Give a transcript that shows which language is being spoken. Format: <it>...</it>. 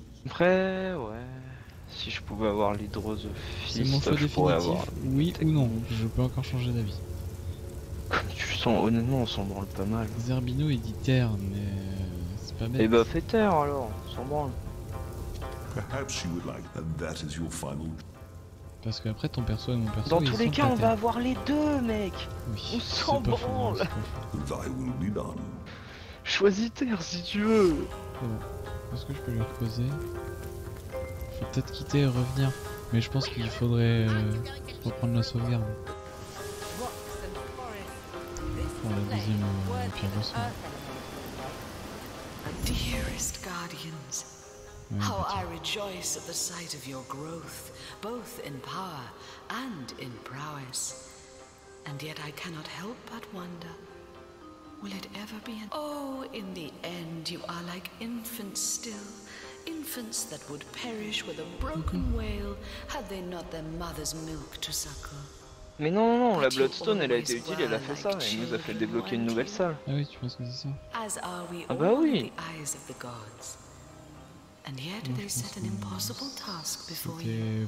<fr>Après, ouais. Si je pouvais avoir l'hydrosophie, c'est mon choix je définitif. Avoir... Oui ou non, je peux encore changer d'avis. Comme tu sens, honnêtement, on s'en branle pas mal. Zerbino, il dit terre, mais c'est pas bête. Eh bah, fais terre alors, on s'en branle.</fr> <en>Perhaps you would like, and that is your final.</en> <fr>Parce que après ton perso et mon perso. Dans tous les cas, on va avoir les deux, mec. Oui, on s'en branle.</fr> <en>Thy will be done.</en> <fr>Choisis terre si tu veux. Bon. Est-ce que je peux lui reposer? Faut peut-être quitter et revenir. Mais je pense qu'il faudrait reprendre la sauvegarde. Pour la deuxième pierre de soin.</fr> <en>Dearest guardians, how I rejoice at the sight of your growth, both in power and in prowess. And yet I cannot help but wonder. Will it ever be an... Oh, in the end, you are like infants still. Infants that would perish with a broken wail had they not their mother's milk to suckle.</en> <fr>Mais non, non, non, la Bloodstone, elle a été utile, elle a fait ça. Elle nous a fait débloquer une nouvelle salle. Ah oui, tu penses que c'est ça?</fr> <en>As are we</en> <fr>ah bah oui.</fr> <en>Eyes of the gods. And yet they set an impossible task before you.</en>